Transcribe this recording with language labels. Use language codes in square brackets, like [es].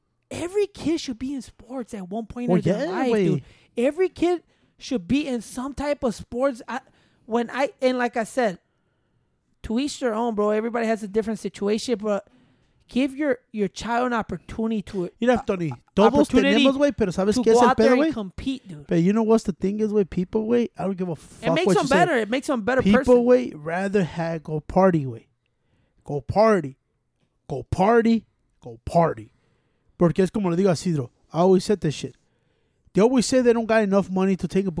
[en] Every kid should be in sports at one point in their life, dude. Every kid should be in some type of sports. Like I said, to each their own, bro. Everybody has a different situation, but give your child an opportunity to it. You know, Tony. [es] Todos tenemos, güey, pero sabes qué es el pedo, güey? [en] Compete, dude. But you know what's the thing is, güey? People, güey, I don't give a fuck what you say. It makes them better. It makes them better person. People, güey, rather have go party, güey. Go party. Go party. Go party. [es] Porque es como le digo a Cidro. [en] I always said this shit. They always say they don't got enough money to take it.